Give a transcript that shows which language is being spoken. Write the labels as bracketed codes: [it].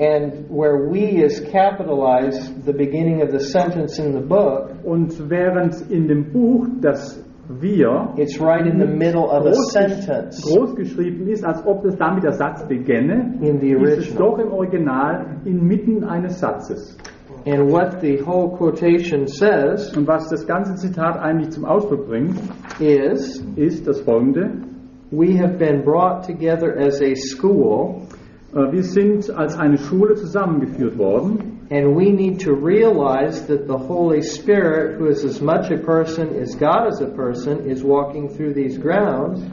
[en] And where we is capitalized, the beginning of the sentence in the book. [de] Und während in dem Buch das wir, [en] it's right in the middle of a sentence. [de] Groß geschrieben ist, als ob es damit der Satz beginne. [en] In the original. [de] Ist es doch im Original inmitten eines Satzes. [en] And what the whole quotation says, [de] und was das ganze Zitat eigentlich zum Ausdruck bringt, ist das Folgende. [en] We have been brought together as a school. [de] Wir sind als eine Schule zusammengeführt worden. [en] And we need to realize that the Holy Spirit, who is as much a person as God is a person, is walking through these grounds.